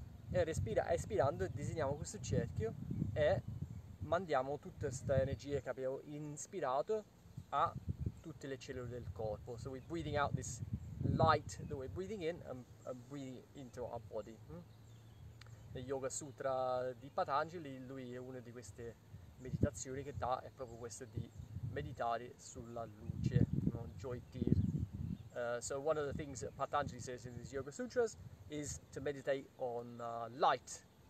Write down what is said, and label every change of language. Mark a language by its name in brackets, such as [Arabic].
[Italian] E espirando disegniamo questo cerchio e mandiamo tutta questa energia che abbiamo inspirato a tutte le cellule del corpo. [English] So we're breathing out this light that we're breathing in and breathing into our body. [Italian] Nel Yoga Sutra di Patanjali, lui è una di queste meditazioni che dà è proprio questa di meditare sulla luce, no? [Sanskrit] Jyotir. [English] So one of the things that Patanjali says in his Yoga Sutras is to meditate on light.